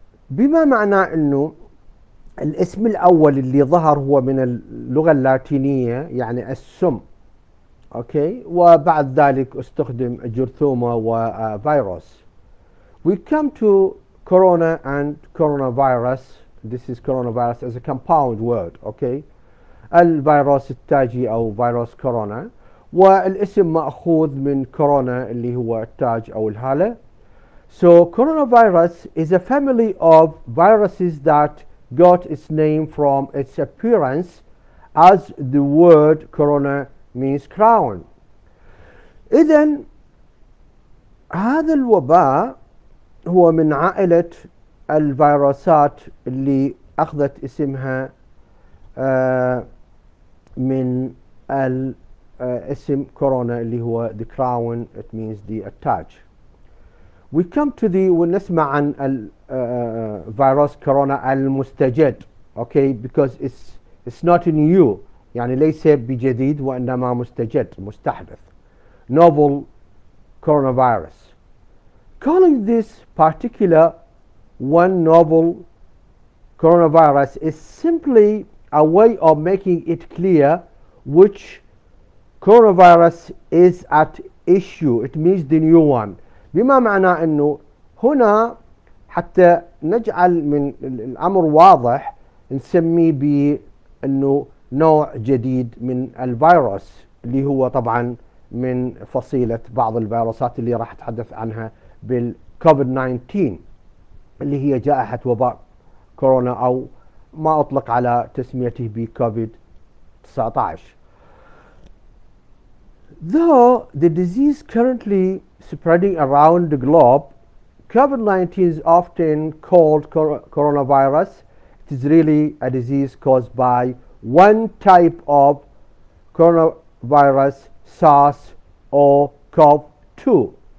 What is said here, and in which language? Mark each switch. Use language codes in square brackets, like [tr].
[ar] بما معنى انه الاسم الاول اللي ظهر هو من اللغه اللاتينيه يعني السم اوكي وبعد ذلك استخدم جرثومه وفيروس. [en] We come to corona and coronavirus. This is coronavirus as a compound word, okay? [ar] الفيروس التاجي او فيروس كورونا والاسم ماخوذ من كورونا اللي هو التاج او الهاله. [en] So coronavirus is a family of viruses that got its name from its appearance, as the word corona means crown. [ar] إذن هذا الوباء هو من عائلة الفيروسات اللي أخذت اسمها من الاسم كورونا اللي هو [en] the crown, it means the attach. We come to the [ar] ونسمع عن الفيروس كورونا المستجد [en] okay because it's not new [ar] يعني ليس بجديد وإنما مستجد مستحدث [en] novel coronavirus. Calling this particular one novel coronavirus is simply a way of making it clear which coronavirus is at issue. It means the new one. [ar] بما معنى انه هنا حتى نجعل من الامر واضح نسميه بانه نوع جديد من الفيروس اللي هو طبعا من فصيلة بعض الفيروسات اللي راح اتحدث عنها بالكوفيد 19 اللي هي جائحة وباء كورونا او ما اطلق على تسميته بكوفيد 19. [en] Though the disease currently spreading around the globe, COVID-19 is often called coronavirus. It is really a disease caused by one type of coronavirus, SARS or CoV-2.